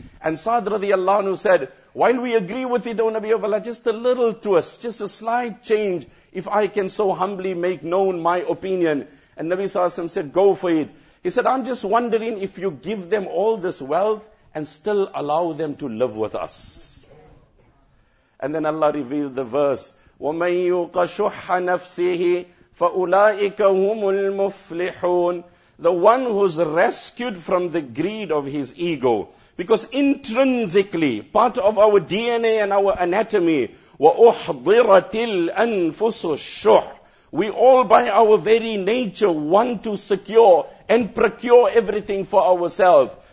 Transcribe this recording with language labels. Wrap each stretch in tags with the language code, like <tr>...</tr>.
<en>And Sa'd radiallahu anhu said, while we agree with it, O Nabi of Allah, just a little twist, just a slight change, if I can so humbly make known my opinion. And Nabi Sallallahu Alaihi Wasallam said, go for it. He said, I'm just wondering if you give them all this wealth and still allow them to live with us. And then Allah revealed the verse,</en> <ar>وَمَنْ يُوقَ شُحَّ نَفْسِهِ فَأُولَٰئِكَ هُمُ الْمُفْلِحُونَ.</ar> <en>The one who's rescued from the greed of his ego. Because intrinsically, part of our DNA and our anatomy,</en> <ar>وَأُحْضِرَتِ الْأَنفُسُ الشُّحَّ.</ar> <en>We all by our very nature want to secure and procure everything for ourselves.</en>